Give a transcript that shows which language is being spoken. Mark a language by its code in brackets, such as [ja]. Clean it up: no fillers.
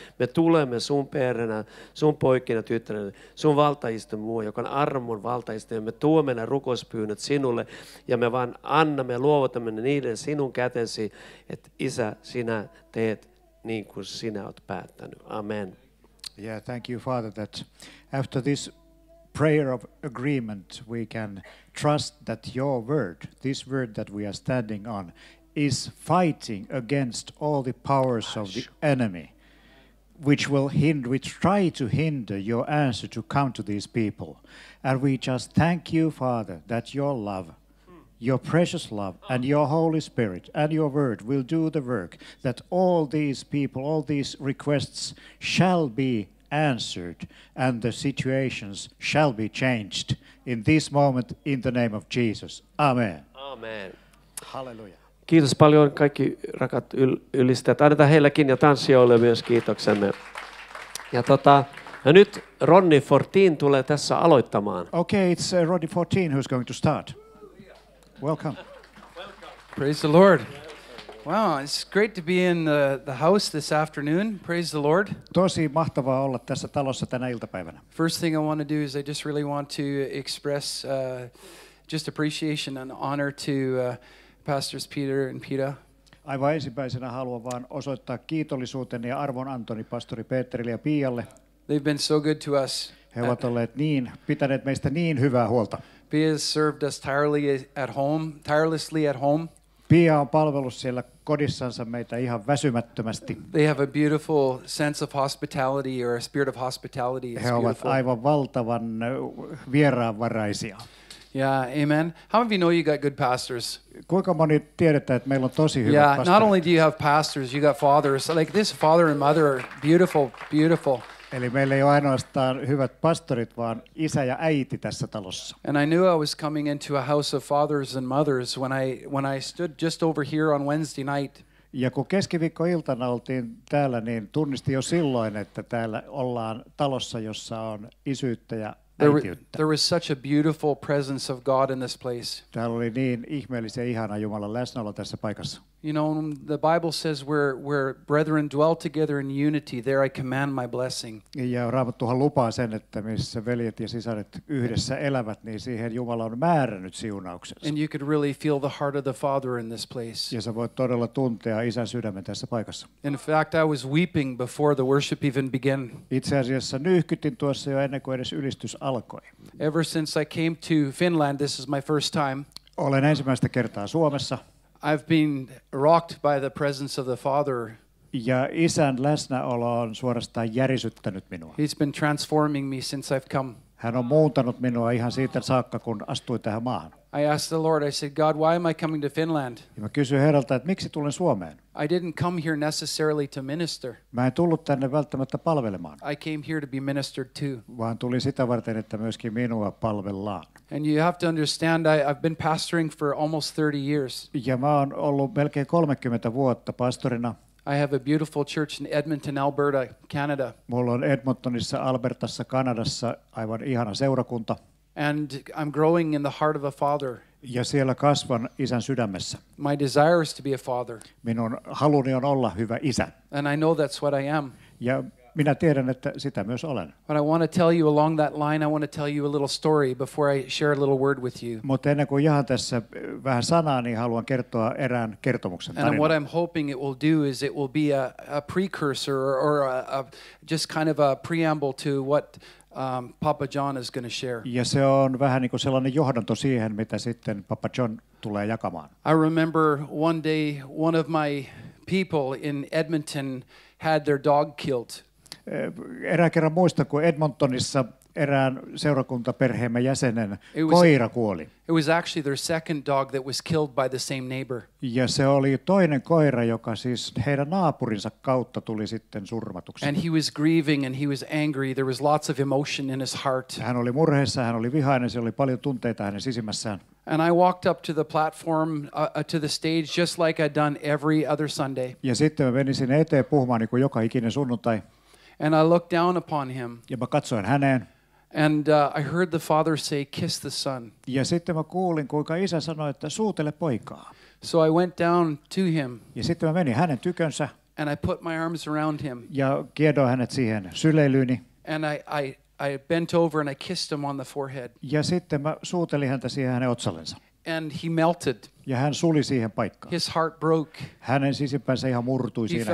[fi] Me tulemme sun perhänä, sun poikina, tyttärenä, sun valtaistumme muu, joka on armon valtaistumme. Me tuomme nämä rukouspyynnöt sinulle ja me vaan annamme ja luovutamme niiden sinun kätesi, että Isä, sinä teet niin kuin sinä olet päättänyt. Amen. [en] Yeah, thank you, Father, that after this prayer of agreement, we can trust that your word, this word that we are standing on, is fighting against all the powers of the enemy, which try to hinder your answer to come to these people. And we just thank you, Father, that your love, your precious love, and your Holy Spirit and your word will do the work, that all these people, all these requests shall be answered and the situations shall be changed in this moment in the name of Jesus. Amen. Amen. Hallelujah. [fi] Kiitos paljon kaikki rakat ylistäjät. Annetaan heilläkin ja tanssijoille myös kiitoksemme. Ja nyt Ronnie Fortin tulee tässä aloittamaan. [en] Okay, it's Ronnie Fortin who's going to start. Welcome. Praise the Lord. Wow, it's great to be in the house this afternoon. Praise the Lord. [fi] Tosi mahtavaa olla tässä talossa tänä iltapäivänä. [en] First thing I want to do is I just really want to express just appreciation and honor to pastors Peter and Pita. [fi] Aivan ensimmäisenä haluan vaan osoittaa kiitollisuuteni ja arvon antoni pastori Peterille ja Pialle. [en] They've been so good to us. [fi] He ovat olleet niin pitäneet meistä niin hyvää huolta. [en] Pia has served us tirelessly at home. [fi] Pia on palvellut siellä kodissansa meitä ihan väsymättömästi. [en] They have a beautiful sense of hospitality or a spirit of hospitality. [fi] He ovat aivan valtavan vieraanvaraisia. [en] Yeah, amen. How many of you know you got good pastors? [fi] Kuinka moni tiedätte, että meillä on tosi hyvät pastorit? [en] Yeah, not only do you have pastors, you got fathers. Like this father and mother are beautiful, beautiful. [fi] Eli meillä ei ole ainoastaan hyvät pastorit, vaan isä ja äiti tässä talossa. [en] And I knew I was coming into a house of fathers and mothers when I stood just over here on Wednesday night. [fi] Ja kun keskiviikkoiltana oltiin täällä, niin tunnistin jo silloin, että täällä ollaan talossa, jossa on isyyttä ja äitiyttä. [en] There was such a beautiful presence of God in this place. [fi] Täällä oli niin ihmeellisen ihana Jumalan läsnäolo tässä paikassa. [en] You know, the Bible says where brethren dwell together in unity, there I command my blessing. [fi] Ja Raamattuhan lupaa sen, että missä veljet ja sisaret yhdessä elävät, niin siihen Jumala on määrännyt siunauksensa. [en] And you could really feel the heart of the Father in this place. [fi] Ja sä voit todella tuntea isän sydämen tässä paikassa. [en] In fact, I was weeping before the worship even began. [fi] Itse asiassa nyyhkytin tuossa jo ennen kuin edes ylistys alkoi. [en] Ever since I came to Finland, this is my first time. [fi] Olen ensimmäistä kertaa Suomessa. [en] I've been rocked by the presence of the Father. [fi] Ja isän läsnäolo on suorastaan järisyttänyt minua. [en] He's been transforming me since I've come. [fi] Hän on muuntanut minua ihan siitä saakka, kun astui tähän maahan. [en] I asked the Lord, I said, God, why am I coming to Finland? [fi] Ja mä kysyin Herralta, että miksi tulen Suomeen? [en] I didn't come here necessarily to minister. [fi] Mä en tullut tänne välttämättä palvelemaan. [en] I came here to be ministered to. [fi] Vaan tulin sitä varten, että myöskin minua palvellaan. [en] And you have to understand, I've been pastoring for almost 30 years. [fi] Ja mä oon ollut melkein 30 vuotta pastorina. [en] I have a beautiful church in Edmonton, Alberta, Canada. [fi] Mulla on Edmontonissa, Albertassa, Kanadassa aivan ihana seurakunta. [en] And I'm growing in the heart of a father. [fi] Ja siellä kasvan isän sydämessä. [en] My desire is to be a father. [fi] Minun haluni on olla hyvä isä. [en] And I know that's what I am. [fi] Ja minä tiedän, että sitä myös olen. [en] But I want to tell you along that line, I want to tell you a little story before I share a little word with you. [fi] Mutta ennen kuin jahan tässä vähän sanaa, niin haluan kertoa erään kertomuksen tarinan. [en] And what I'm hoping it will do is it will be a precursor or a just kind of a preamble to what Papa John is going to share. [fi] Ja se on vähän niin kuin sellainen johdanto siihen, mitä sitten Papa John tulee jakamaan. [en] I remember one day one of my people in Edmonton had their dog killed. [fi] Erään kerran muista, kun Edmontonissa erään seurakuntaperheemme jäsenen koira kuoli. [en] It was actually their second dog that was killed by the same neighbor. [fi] Ja se oli toinen koira, joka siis heidän naapurinsa kautta tuli sitten surmatuksi. [en] And he was grieving and he was angry. There was lots of emotion in his heart. [fi] Hän oli murheessa, hän oli vihainen, siellä oli paljon tunteita hänen sisimmässään. [en] And I walked up to the platform to the stage just like I'd done every other Sunday. [fi] Ja sitten mä menin sinne eteen puhumaan niin kuin joka ikinen sunnuntai. [en] And I looked down upon him. [fi] Ja mä katsoin häneen. [en] And I heard the father say, "Kiss the son." [fi] Ja sitten mä kuulin, kuinka isä sanoi, että suutele poikaa. [en] So I went down to him. [fi] Ja sitten mä menin hänen tykönsä. [en] And I put my arms around him. [fi] Ja kiedoin hänet siihen syleilyyni. [en] And I bent over and I kissed him on the forehead. [fi] Ja sitten mä suutelin häntä siihen hänen otsallensa. [en] And he melted. [fi] Ja hän suli siihen paikkaan. [en] His heart broke. [fi] Hänen sisimpänsä ihan murtui siinä hetkessä.